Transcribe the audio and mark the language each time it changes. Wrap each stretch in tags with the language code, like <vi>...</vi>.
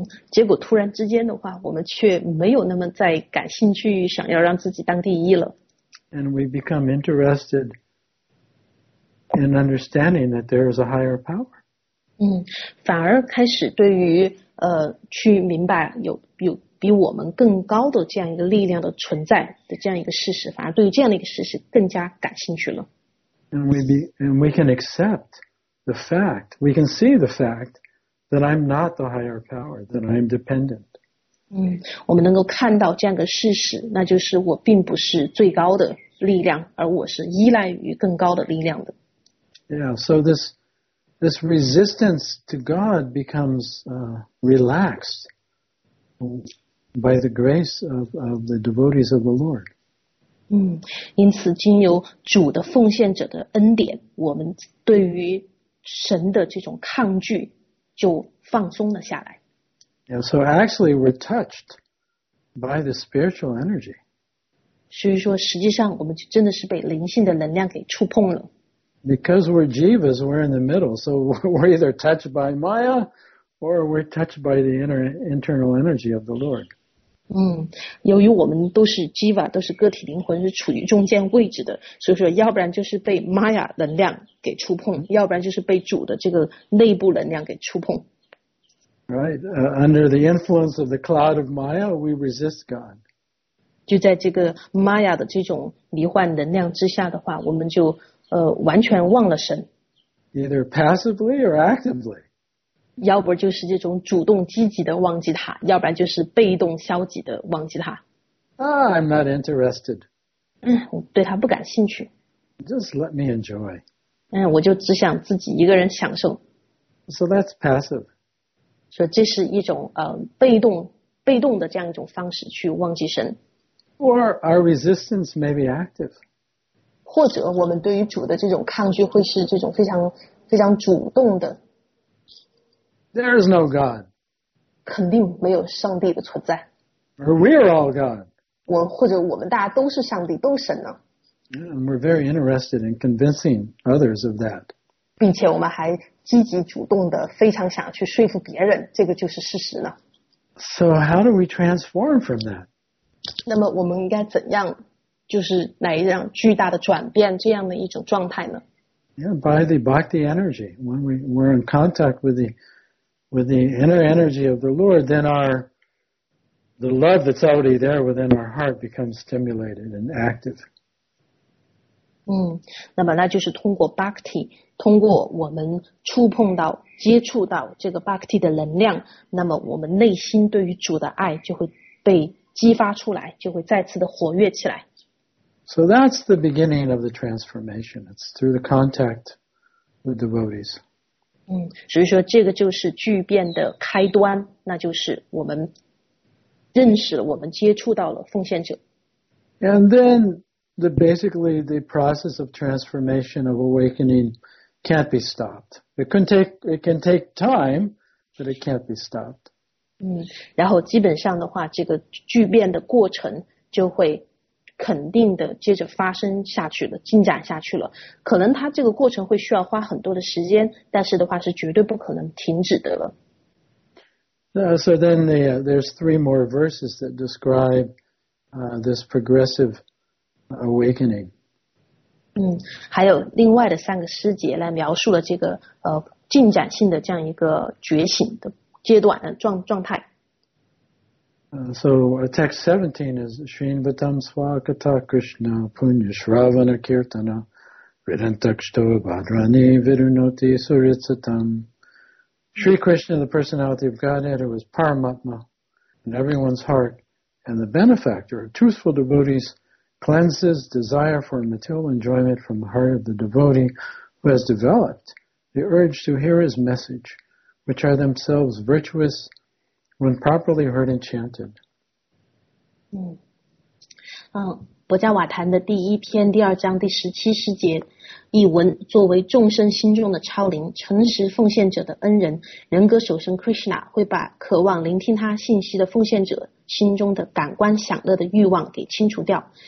<zh>结果突然之间的话，我们却没有那么再感兴趣，想要让自己当第一了。</zh> <en>And we become interested in understanding that there is a higher power.</en> <zh>反而开始对于去明白有比我们更高的这样一个力量的存在的这样一个事实，反而对于这样的一个事实更加感兴趣了。</zh> <en>We can see the fact that I'm not the higher power, that I'm dependent.</en> <zh>我们能够看到这样的事实，那就是我并不是最高的力量，而我是依赖于更高的力量的。</zh> <en>Yeah, so this resistance to God becomes relaxed by the grace of the devotees of the Lord.</en> <zh>因此经由主的奉献者的恩典，我们对于神的这种抗拒就放松了下来。</zh> <en>Yeah, so actually we're touched by the spiritual energy.</en> <zh>所以说实际上我们就真的是被灵性的能量给触碰了。</zh> <en>Because we're jivas, we're in the middle, so we're either touched by Maya or we're touched by the internal energy of the Lord.</en> <zh>由于我们都是 jiva, 都是个体灵魂，是处于中间位置的，所以说要不然就是被 Maya 能量给触碰，要不然就是被主的这个内部能量给触碰。</zh> <en>Right, under the influence of the cloud of Maya, we resist God.</en> <zh>就在这个 Maya 的这种迷幻能量之下的话，我们就完全忘了神。</zh> <en>Either passively or actively.</en> <zh>要不就是这种主动积极的忘记他，要不然就是被动消极的忘记他。</zh> <en>I'm not interested.</en> <zh>我对他不感兴趣。</zh> <en>Just let me enjoy.</en> <zh>我就只想自己一个人享受。</zh> <en>So that's passive.</en> <zh>所以这是一种被动的这样一种方式去忘记神。</zh> <en>Or our resistance may be active.</en> <zh>或者我们对于主的这种抗拒会是这种非常非常主动的。</zh> <en>There is no God.</en> <zh>肯定没有上帝的存在。</zh> <en>Or we are all God.</en> <zh>或者我们大家都是上帝，都是神呢。</zh> <en>Yeah, and we're very interested in convincing others of that.</en> <zh>并且我们还积极主动的非常想去说服别人，这个就是事实呢。</zh> <en>So how do we transform from that?</en> <zh>那么我们应该怎样就是来让巨大的转变这样的一种状态呢？</zh> <en>Yeah, by the bhakti energy. When we're in contact with the inner energy of the Lord, then the love that's already there within our heart becomes stimulated and active.</en> <zh>那么那就是通过 Bhakti， 通过我们触碰到、接触到这个 Bhakti 的能量，那么我们内心对于主的爱就会被激发出来，就会再次的活跃起来。</zh> <en>So that's the beginning of the transformation. It's through the contact with devotees.</en> <zh>所以说这个就是巨变的开端，那就是我们认识了，我们接触到了奉献者。</zh> <en>And then the process of transformation of awakening can't be stopped. It can take time, but it can't be stopped.</en> <zh>然后基本上的话，这个巨变的过程就会肯定的接着发生下去了，进展下去了。可能它这个过程会需要花很多的时间，但是的话是绝对不可能停止的了。</zh> <en>So then there's three more verses that describe this progressive awakening.</en> <zh>还有另外的三个诗节来描述了这个进展性的这样一个觉醒的阶段的状态。</zh> <en>So text 17 is</en> <sa>Shrinvatam Swakata Krishna Punya Shravana Kirtana Ridantakshto Bhadrani Virunoti Suritsatam.</sa> <en>Shri Krishna, the personality of Godhead, who is Paramatma in everyone's heart and the benefactor of truthful devotees, cleanses desire for material enjoyment from the heart of the devotee who has developed the urge to hear his message, which are themselves virtuous when properly heard and chanted.</en> <zh>博迦瓦坛的第一篇第二章第十七诗节，译文：作为众生心中的超灵，诚实奉献者的恩人，人格守身 Krishna 会把渴望聆听他信息的奉献者心中的感官享乐的欲望给清除掉。</zh>